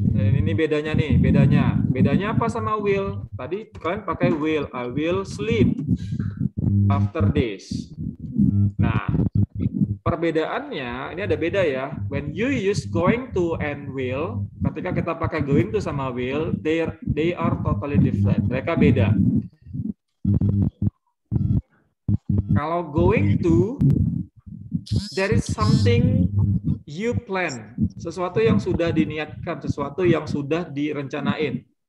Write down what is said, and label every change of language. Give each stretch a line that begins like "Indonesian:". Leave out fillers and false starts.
Indonesian: Ini bedanya nih, bedanya. Bedanya apa sama will? Tadi kalian pakai will.
English: I will sleep after this.
Indonesian: Nah, perbedaannya ini ada beda ya.
English: When you use going to and will,
Indonesian: ketika kita pakai going to sama will,
English: they are totally different.
Indonesian: Mereka beda. Kalau
English: going to, there is something you plan.
Indonesian: Sesuatu yang sudah diniatkan, sesuatu yang sudah direncanain.